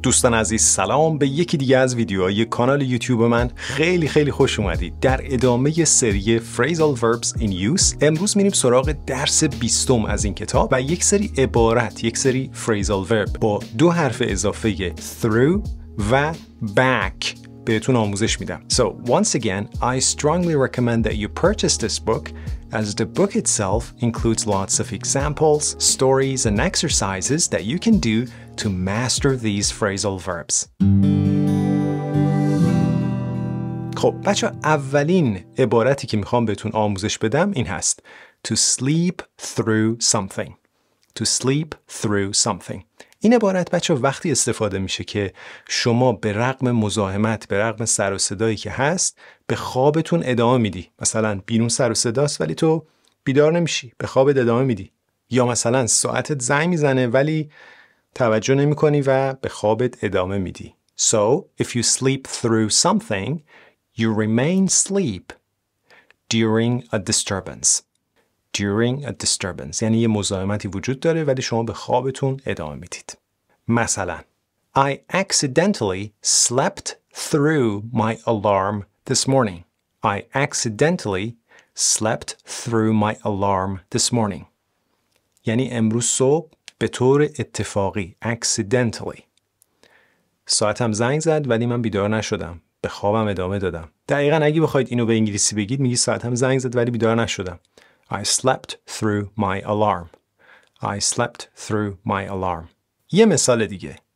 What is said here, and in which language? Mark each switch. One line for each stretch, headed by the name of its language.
Persian: دوستان عزیز سلام، به یکی دیگه از ویدیوهای کانال یوتیوب من خیلی خیلی خوش اومدید. در ادامه سری Phrasal Verbs in Use امروز میریم سراغ درس 20 از این کتاب و یک سری عبارت، یک سری Phrasal Verb با دو حرف اضافه through و back بهتون آموزش میدم.
English: So once again, I strongly recommend that you purchase this book as the book itself includes lots of examples, stories and exercises that you can do to master these phrasal verbs.
Persian: خب بچه، اولین عبارتی که میخوام بهتون آموزش بدم این هست:
English: to sleep through something. To sleep through something.
Persian: این عبارت بچه وقتی استفاده میشه که شما به رغم مزاحمت، به رغم سر و صدایی که هست، به خوابتون ادامه میدی. مثلا بیرون سر و صداست ولی تو بیدار نمیشی، به خوابت ادامه میدی. یا مثلا ساعتت زنگ میزنه ولی توجه نمی کنی و به خوابت ادامه میدی.
English: So, if you sleep through something, you remain sleep during a disturbance. During a disturbance.
Persian: یعنی یه مزاحمتی وجود داره ولی شما به خوابتون ادامه میدید.
English: مثلا I accidentally slept through my alarm this morning. I accidentally slept through my alarm this morning.
Persian: یعنی امروز صبح به طور اتفاقی accidentally ساعتم زنگ زد ولی من بیدار نشدم، به خوابم ادامه دادم. دقیقا اگه بخواید اینو به انگلیسی بگید میگی ساعتم زنگ زد ولی بیدار نشدم.
English: I slept through my alarm. I slept through my alarm.
Persian: یه مثال دیگه.